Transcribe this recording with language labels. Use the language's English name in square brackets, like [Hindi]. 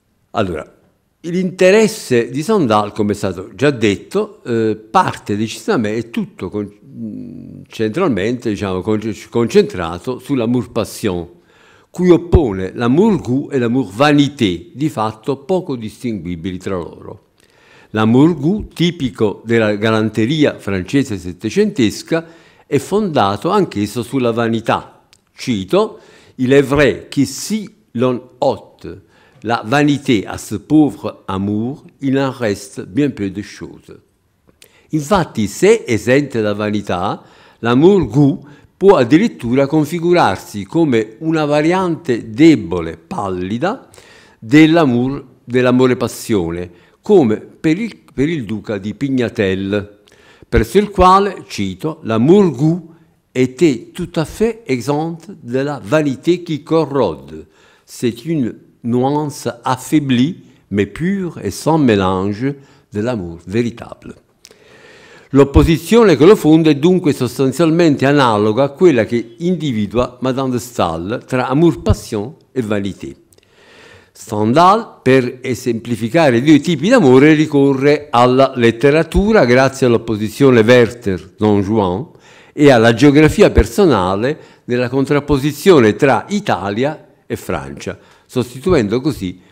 [Italian] Allora, l'interesse di Stendhal, come è stato già detto, parte decisamente, è tutto centralmente, concentrato sull'amour passion, cui oppone l'amour goût e l'amour vanité, di fatto poco distinguibili tra loro. L'amour goût, tipico della galanteria francese settecentesca, è fondato anch'esso sulla vanità. Cito: [French] il est vrai que si l'on ôte la vanité à ce pauvre amour, il en reste bien peu de chose. [Italian] Infatti, se esente da vanità, [French] l'amour goût può addirittura configurarsi come una variante debole, pallida, dell'amore passione, come per il duca di Pignatelle, presso il quale, cito, l'amour goût était tout à fait exempt de la vanité qui corrode. C'est une nuance affaiblie, mais pure et sans mélange de l'amour véritable. [Italian] L'opposizione che lo fonda è dunque sostanzialmente analoga a quella che individua Madame de Staël tra amour passion e vanité. Stendhal, per esemplificare i due tipi d'amore, ricorre alla letteratura grazie all'opposizione Werther-Don Juan e alla geografia personale nella contrapposizione tra Italia e Francia, sostituendo così